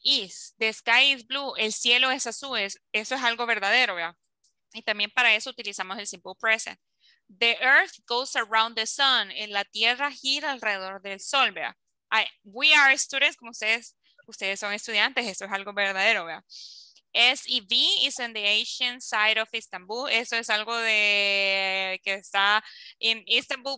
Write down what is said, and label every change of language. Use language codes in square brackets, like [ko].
[es] Is, [en] the sky is blue, [es] el cielo es azul, eso es algo verdadero, ¿verdad? Y también para eso utilizamos el simple present. [en] The earth goes around the sun, [es] en la tierra gira alrededor del sol, ¿verdad? [en] We are students, [es] como ustedes son estudiantes, eso es algo verdadero, ¿verdad? [en] SEV is in the Asian side of Istanbul. [es] Eso es algo de que está en Istanbul.